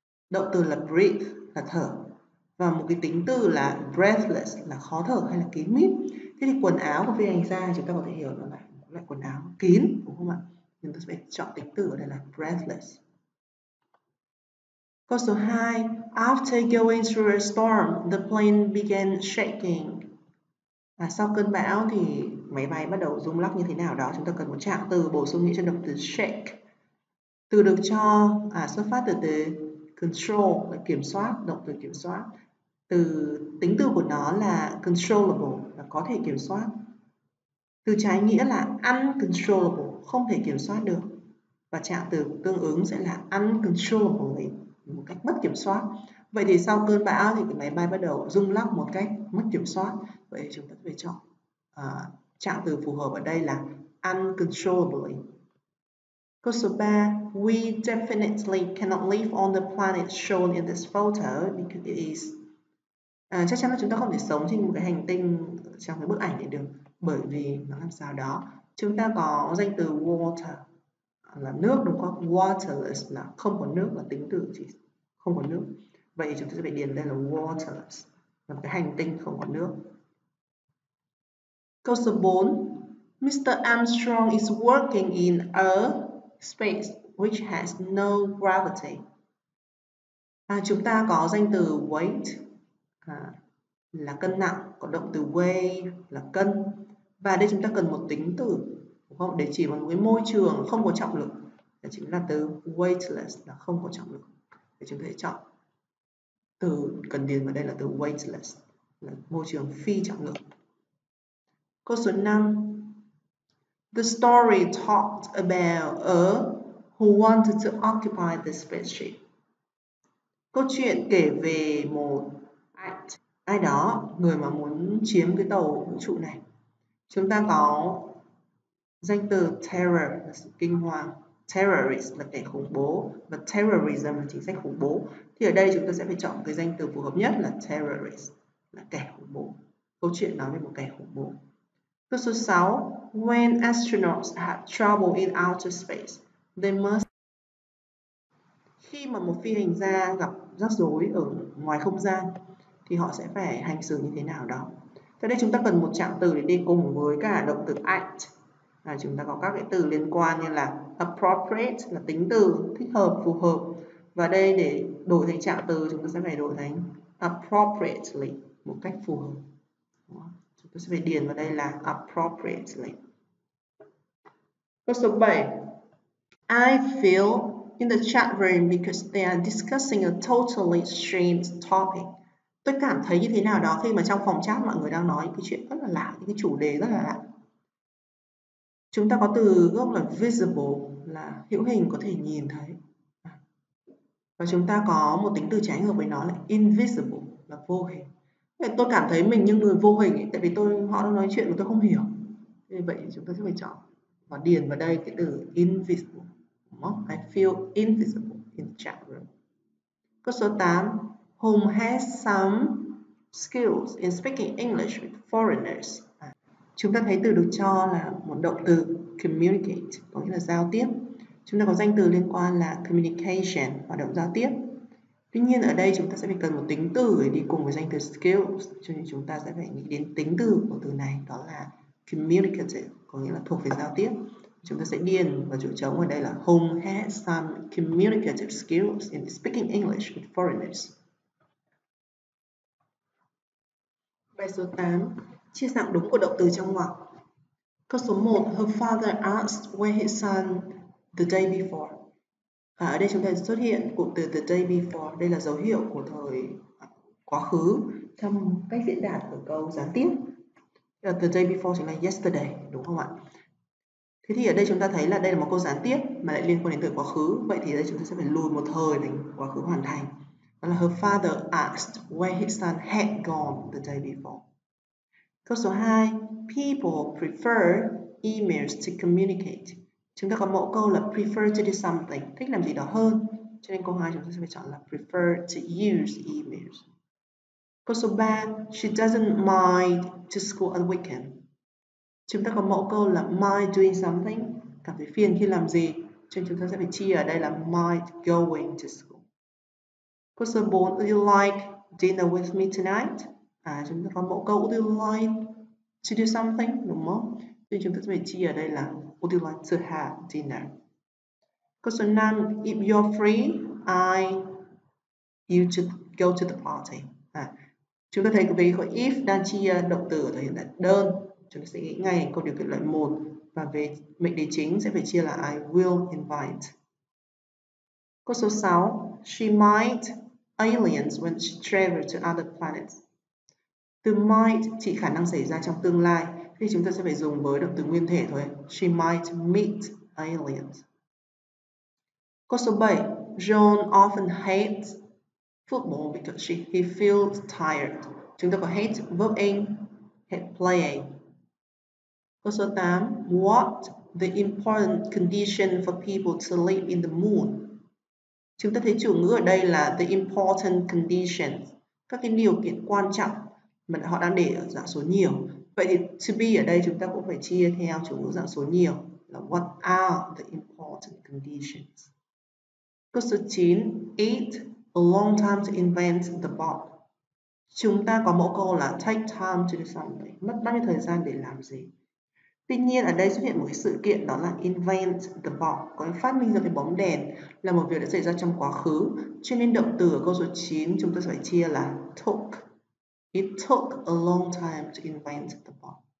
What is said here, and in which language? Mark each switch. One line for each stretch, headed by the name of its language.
Vietnamese: Động từ là breathe, là thở. Và một cái tính từ là breathless, là khó thở hay là kín mít. Thế thì quần áo của phi hành gia chúng ta có thể hiểu nó là một loại quần áo kín, đúng không ạ? Chúng ta sẽ chọn tính từ ở đây là breathless. Câu số 2.
English: After going through a storm, the plane began shaking.
Vietnamese: À, sau cơn bão thì máy bay bắt đầu rung lắc như thế nào đó. Chúng ta cần một trạng từ bổ sung nghĩa cho động từ shake. Từ được cho xuất phát từ từ control, là kiểm soát, động từ kiểm soát. Từ tính từ của nó là controllable, là có thể kiểm soát. Từ trái nghĩa là uncontrollable, không thể kiểm soát được. Và trạng từ tương ứng sẽ là uncontrollable, một cách mất kiểm soát. Vậy thì sau cơn bão thì cái máy bay bắt đầu rung lắc một cách mất kiểm soát. Vậy chúng ta phải chọn trạng từ phù hợp ở đây là uncontrollably. Câu số 3.
English: We definitely cannot live on the planet shown in this photo because it is.
Vietnamese: Chắc chắn là chúng ta không thể sống trên một cái hành tinh trong cái bức ảnh này được, bởi vì nó làm sao đó. Chúng ta có danh từ water, là nước, đúng không? Waterless là không có nước, là tính từ chỉ không có nước. Vậy chúng ta sẽ phải điền đây là waterless, là một cái hành tinh không có nước. Câu số 4. Mr.
English: Armstrong is working in a space which has no gravity.
Vietnamese: Chúng ta có danh từ weight là cân nặng, có động từ weigh là cân. Và đây chúng ta cần một tính từ, đúng không? Để chỉ một cái môi trường không có trọng lực, đó chính là từ weightless, là không có trọng lực. Để chúng ta sẽ chọn từ cần điền vào đây là từ weightless, là môi trường phi trọng lực. Câu số 5.
English: The story talked about a who wanted to occupy the spaceship.
Vietnamese: Câu chuyện kể về một ai đó, người mà muốn chiếm cái tàu vũ trụ này. Chúng ta có danh từ terror, là sự kinh hoàng. Terrorist là kẻ khủng bố. Và terrorism là chính sách khủng bố. Thì ở đây chúng ta sẽ phải chọn cái danh từ phù hợp nhất là terrorist, là kẻ khủng bố. Câu chuyện nói về một kẻ khủng bố. Câu số 6.
English: When astronauts have trouble in outer space, they must.
Vietnamese: Khi mà một phi hành gia gặp rắc rối ở ngoài không gian thì họ sẽ phải hành xử như thế nào đó. Thế đây chúng ta cần một trạng từ để đi cùng với cả động từ act. À, chúng ta có các cái từ liên quan như là appropriate, là tính từ, thích hợp, phù hợp. Và đây để đổi thành trạng từ chúng ta sẽ phải đổi thành appropriately, một cách phù hợp. Chúng ta sẽ phải điền vào đây là appropriately. Câu số 7.
English: I feel in the chat room because they are discussing a totally strange topic.
Vietnamese: Tôi cảm thấy như thế nào đó khi mà trong phòng chat mọi người đang nói những cái chuyện rất là lạ, những cái chủ đề rất là lạ. Chúng ta có từ gốc là visible, là hữu hình, có thể nhìn thấy. Và chúng ta có một tính từ trái ngược với nó là invisible, là vô hình. Tôi cảm thấy mình như người vô hình ấy, tại vì tôi họ đang nói chuyện mà tôi không hiểu. Vậy chúng ta sẽ phải chọn và điền vào đây cái từ invisible.
English: I feel invisible in the chat room.
Vietnamese: Câu số 8.
English: Home has some skills in speaking English with foreigners.
Vietnamese: Chúng ta thấy từ được cho là một động từ communicate, có nghĩa là giao tiếp. Chúng ta có danh từ liên quan là communication, hoạt động giao tiếp. Tuy nhiên ở đây chúng ta sẽ phải cần một tính từ để đi cùng với danh từ skills, cho nên chúng ta sẽ phải nghĩ đến tính từ của từ này, đó là communicative, có nghĩa là thuộc về giao tiếp. Chúng ta sẽ điền vào chỗ trống ở đây là
English: home has some communicative skills in speaking English with foreigners.
Vietnamese: Bài số 8. Chia dạng đúng của động từ trong ngoặc. Câu số 1.
English: Her father asked where his son the day before.
Vietnamese: À, ở đây chúng ta xuất hiện cụm từ
English: the day before.
Vietnamese: Đây là dấu hiệu của thời quá khứ trong cách diễn đạt của câu gián tiếp.
English: The day before
Vietnamese: chính là yesterday, đúng không ạ? Thế thì ở đây chúng ta thấy là đây là một câu gián tiếp mà lại liên quan đến từ quá khứ. Vậy thì ở đây chúng ta sẽ phải lùi một thời thành quá khứ hoàn thành. Đó là
English: her father asked where his son had gone the day before.
Vietnamese: Câu số 2,
English: people prefer emails to communicate.
Vietnamese: Chúng ta có mẫu câu là
English: prefer to do something,
Vietnamese: thích làm gì đó hơn. Cho nên câu 2 chúng ta sẽ phải chọn là
English: prefer to use emails.
Vietnamese: Câu số 3,
English: she doesn't mind to school on weekend.
Vietnamese: Chúng ta có mẫu câu là
English: mind doing something,
Vietnamese: cảm thấy phiền khi làm gì. Cho nên chúng ta sẽ phải chia ở đây là
English: mind going to school.
Vietnamese: Câu số 4,
English: do you like dinner with me tonight?
Vietnamese: À, chúng ta có mẫu câu
English: would you like to do something,
Vietnamese: đúng không? Thì chúng ta sẽ phải chia ở đây là
English: would you like to have dinner.
Vietnamese: Câu số 5,
English: if you're free, I you to go to the party.
Vietnamese: À, chúng ta thấy cái câu if đang chia động từ ở thời hiện tại đơn. Chúng ta sẽ nghĩ ngay câu điều kiện loại 1 và về mệnh đề chính sẽ phải chia là
English: I will invite.
Vietnamese: Câu số 6,
English: she might aliens when she travel to other planets.
Vietnamese: Từ might chỉ khả năng xảy ra trong tương lai thì chúng ta sẽ phải dùng với động từ nguyên thể thôi.
English: She might meet aliens.
Vietnamese: Câu số 7,
English: John often hates football because he feels tired.
Vietnamese: Chúng ta có
English: hate verb in, hate playing.
Vietnamese: Câu số 8,
English: what the important condition for people to live in the moon?
Vietnamese: Chúng ta thấy chủ ngữ ở đây là the important conditions, các cái điều kiện quan trọng mà họ đang để ở dạng số nhiều. Vậy thì to be ở đây chúng ta cũng phải chia theo chủ ngữ dạng số nhiều là
English: what are the important conditions.
Vietnamese: Câu số 9,
English: it a long time to invent the bulb.
Vietnamese: Chúng ta có mẫu câu là
English: take time to do something,
Vietnamese: mất bao nhiêu thời gian để làm gì. Tuy nhiên ở đây xuất hiện một cái sự kiện đó là
English: invent the bulb,
Vietnamese: có nghĩa phát minh ra cái bóng đèn, là một việc đã xảy ra trong quá khứ. Cho nên động từ ở câu số 9 chúng ta sẽ phải chia là took.
English: It took a long time to invent the bulb.